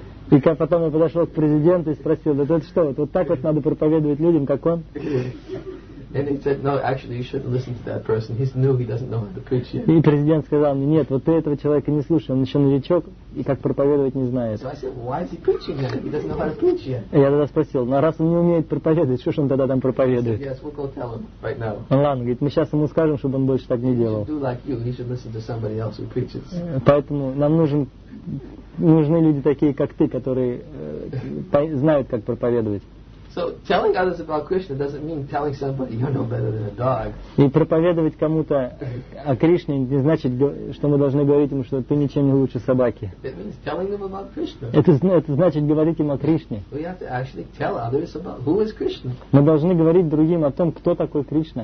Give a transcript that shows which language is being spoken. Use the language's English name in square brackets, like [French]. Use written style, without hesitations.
[Russian] И потом я подошел к президенту и спросил, да это что, вот так вот надо проповедовать людям, как он? [English] And he said, no, actually, you shouldn't listen to that person. He's new, he doesn't know how to preach yet. [Russian] И президент сказал мне, нет, вот ты этого человека не слушай, он еще новичок и как проповедовать не знает. [English] So I said, why is he preaching then? He doesn't know how to preach yet. [Russian] Я тогда спросил, ну раз он не умеет проповедовать, что ж он тогда там проповедует? [English] He said, yes, we'll go tell him right now. [Russian] Ладно, говорит, мы сейчас ему скажем, чтобы он больше так не делал. [English] He should do like you. He should listen to somebody else who preaches. [Russian] Поэтому нам нужен нужны люди такие, как ты, которые знают, как проповедовать. [English] So telling others about Krishna doesn't mean telling somebody you're no better than a dog. [Russian] И проповедовать кому-то о Кришне не значит, что мы должны говорить ему, что ты ничем не лучше собаки. [English] It means telling them about Krishna. [Russian] Это значит говорить им о Кришне. [English] We have to actually tell others about who is Krishna. [Russian] Мы должны говорить другим о том, кто такой Кришна.